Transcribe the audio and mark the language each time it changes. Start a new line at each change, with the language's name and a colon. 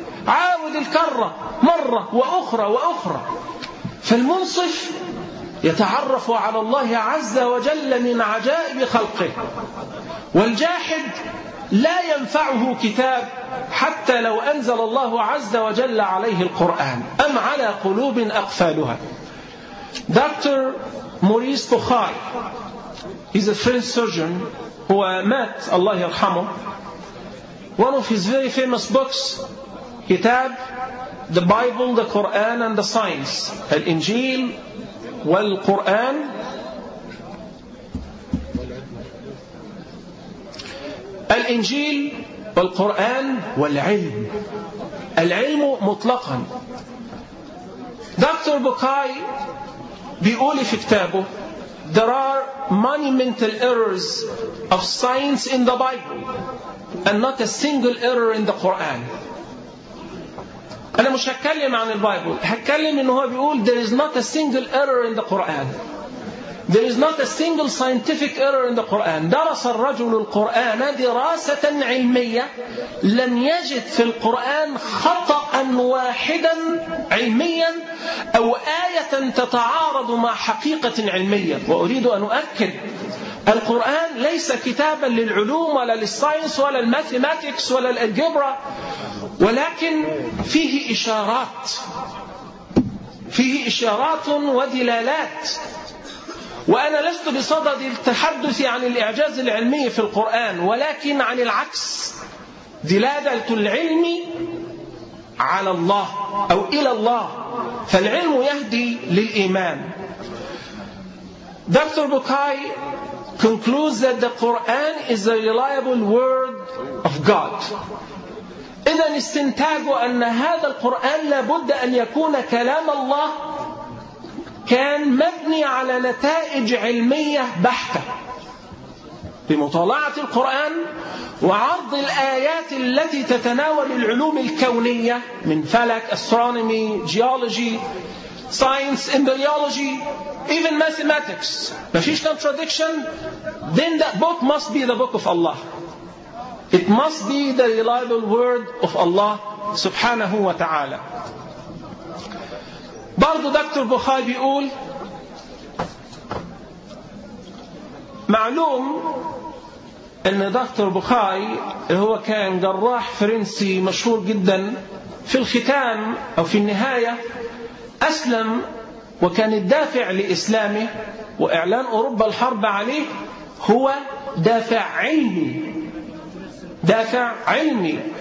Arabic: عاود الكرة مرة وأخرى وأخرى. فالمنصف يتعرف على الله عز وجل من عجائب خلقه، والجاحد لا ينفعه كتاب حتى لو أنزل الله عز وجل عليه القرآن أم على قلوب أقفالها.
English: doctor Maurice Bucaille is a French surgeon who met
Arabic: الله يرحمه.
English: One of his very famous books, كتاب, the Bible, the Quran and the science,
Arabic: الإنجيل والقرآن. الإنجيل والقرآن والعلم، العلم مطلقا. دكتور بوكاي بيقول في كتابه
English: there are monumental errors of science in the Bible and not a single error in the Quran.
Arabic: أنا مش هتكلم عن البايبل، هتكلم إنه هو بيقول
English: there is not a single error in the Quran. There is not a single scientific error in the Quran.
Arabic: درس الرجل القرآن دراسة علمية لم يجد في القرآن خطأ واحدا علميا أو آية تتعارض مع حقيقة علمية. وأريد أن أؤكد، القرآن ليس كتابا للعلوم ولا للساينس ولا الماثيماتيكس ولا الألجبرا، ولكن فيه إشارات، فيه إشارات ودلالات. وأنا لست بصدد التحدث عن الإعجاز العلمي في القرآن، ولكن عن العكس، دلالة العلم على الله أو إلى الله، فالعلم يهدي للإيمان.
English: Doctor Bucaille concludes that the Quran is a reliable word of God.
Arabic: إذن استنتاج أن هذا القرآن لابد أن يكون كلام الله كان مبني على نتائج علمية بحتة بمطالعة القرآن وعرض الآيات التي تتناول العلوم الكونية من فلك،
English: astronomy, geology, science, embryology, even mathematics.
Arabic: ما فيش contradiction.
English: Then that book must be the book of Allah. It must be the reliable word of Allah
Arabic: سبحانه وتعالى. برضو دكتور بوخاري بيقول معلوم ان دكتور بوخاري هو كان جراح فرنسي مشهور جدا، في الختام او في النهاية اسلم، وكان الدافع لاسلامه واعلان اوروبا الحرب عليه هو دافع علمي، دافع علمي.